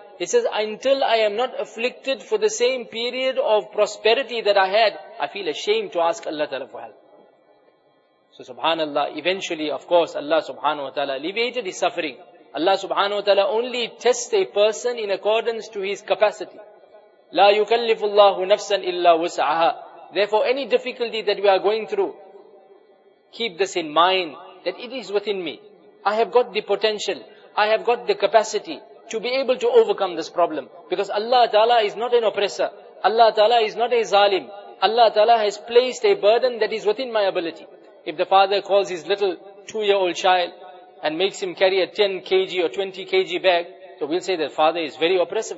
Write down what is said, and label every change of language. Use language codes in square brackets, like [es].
[en] He says, until I am not afflicted for the same period of prosperity that I had, I feel ashamed to ask Allah Ta'ala for help. So subhanallah, eventually of course Allah subhanahu wa ta'ala alleviated his suffering. Allah subhanahu wa ta'ala only tests a person in accordance to his capacity. [ar] لا يكلف الله نفسا إلا وسعها. [en] Therefore any difficulty that we are going through, keep this in mind that it is within me. I have got the potential, I have got the capacity to be able to overcome this problem. Because Allah ta'ala is not an oppressor. Allah ta'ala is not a zalim. Allah ta'ala has placed a burden that is within my ability. If the father calls his little 2-year-old child and makes him carry a 10 kg or 20 kg bag, so we'll say that father is very oppressive.